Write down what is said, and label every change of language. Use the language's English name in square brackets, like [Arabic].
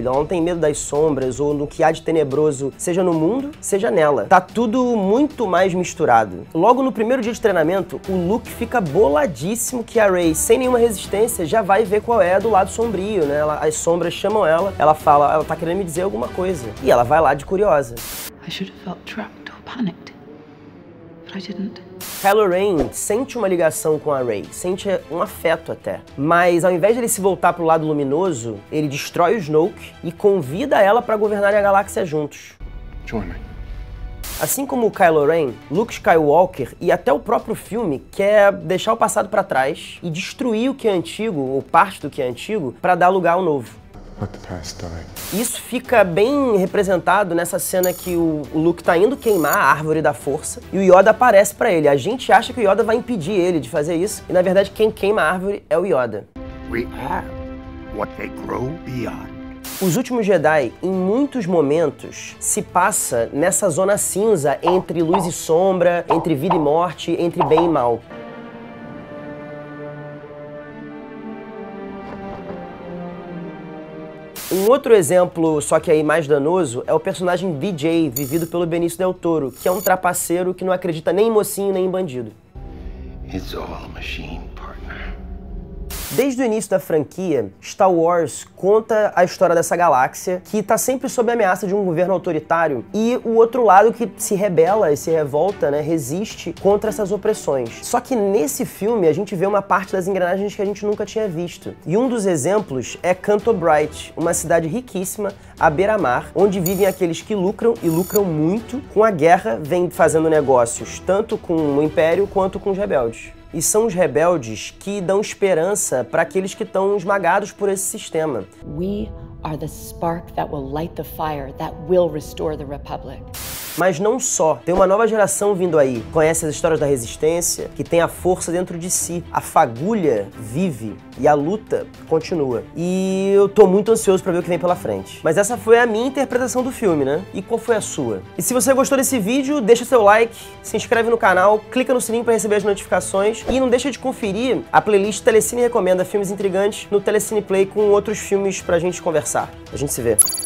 [Portuguese] Ela não tem medo das sombras ou do que há de tenebroso, seja no mundo, seja nela. Tá tudo muito mais misturado. Logo no primeiro dia de treinamento, o Luke fica boladíssimo que a Rey, sem nenhuma resistência, já vai ver qual é do lado sombrio. Né? As sombras chamam ela, ela fala, ela tá querendo me dizer alguma coisa. E ela vai lá de curiosa. [English] I should have felt trapped or panicked, but I didn't. [Portuguese] Kylo Ren sente uma ligação com a Rey, sente um afeto até. Mas ao invés dele se voltar pro lado luminoso, ele destrói o Snoke e convida ela pra governar a galáxia juntos. [English] Join me. [Portuguese] Assim como o Kylo Ren, Luke Skywalker e até o próprio filme quer deixar o passado para trás e destruir o que é antigo, ou parte do que é antigo, para dar lugar ao novo. [English] Let the past die. [Portuguese] Isso fica bem representado nessa cena que o Luke tá indo queimar a árvore da Força e o Yoda aparece para ele. A gente acha que o Yoda vai impedir ele de fazer isso, e na verdade quem queima a árvore é o Yoda. [English] We are what they grow beyond. [Portuguese] Os Últimos Jedi, em muitos momentos, se passa nessa zona cinza entre luz e sombra, entre vida e morte, entre bem e mal. Um outro exemplo, só que aí mais danoso, é o personagem DJ, vivido pelo Benicio Del Toro, que é um trapaceiro que não acredita nem em mocinho nem em bandido. [English] It's all a machine. [Portuguese] Desde o início da franquia, Star Wars conta a história dessa galáxia que tá sempre sob a ameaça de um governo autoritário e o outro lado que se rebela e se revolta, né, resiste contra essas opressões. Só que nesse filme a gente vê uma parte das engrenagens que a gente nunca tinha visto. E um dos exemplos é Canto Bright, uma cidade riquíssima à beira-mar, onde vivem aqueles que lucram, e lucram muito, com a guerra, vem fazendo negócios tanto com o Império quanto com os rebeldes. E são os rebeldes que dão esperança para aqueles que estão esmagados por esse sistema. [English] We are the spark that will light the fire that will restore the Republic. [Portuguese] Mas não só, tem uma nova geração vindo aí, conhece as histórias da resistência, que tem a força dentro de si. A fagulha vive e a luta continua. E eu tô muito ansioso pra ver o que vem pela frente. Mas essa foi a minha interpretação do filme, né? E qual foi a sua? E se você gostou desse vídeo, deixa seu like, se inscreve no canal, clica no sininho pra receber as notificações e não deixa de conferir a playlist Telecine Recomenda Filmes Intrigantes no Telecine Play com outros filmes pra gente conversar. A gente se vê.